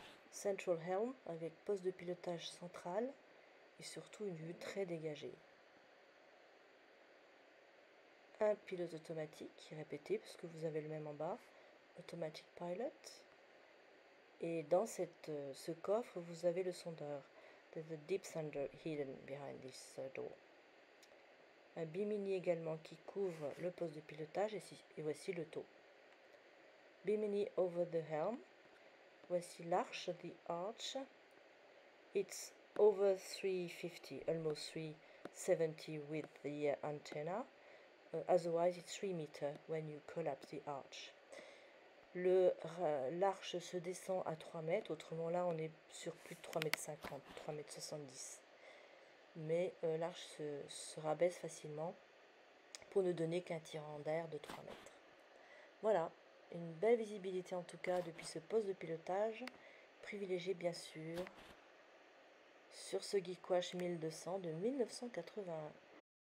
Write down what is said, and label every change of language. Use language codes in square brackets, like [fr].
[fr] Central helm avec poste de pilotage central. Et surtout une vue très dégagée. Un pilote automatique qui est répété parce que vous avez le même en bas, automatic pilot. Et dans ce coffre, vous avez le sondeur. [en] There's a deep sounder hidden behind this door. [fr] Un bimini également qui couvre le poste de pilotage et voici le taux. [en] Bimini over the helm. Voici l'arche, the arch. It's over 350, almost 370 with the antenna. Otherwise, it's 3 meters when you collapse the arch. [fr] L'arche se descend à 3 mètres, autrement là, on est sur plus de 3 mètres 50, 3 mètres 70. Mais l'arche se rabaisse facilement pour ne donner qu'un tirant d'air de 3 mètres. Voilà, une belle visibilité en tout cas depuis ce poste de pilotage, privilégié bien sûr. Sur ce gouache 1200 de 1981.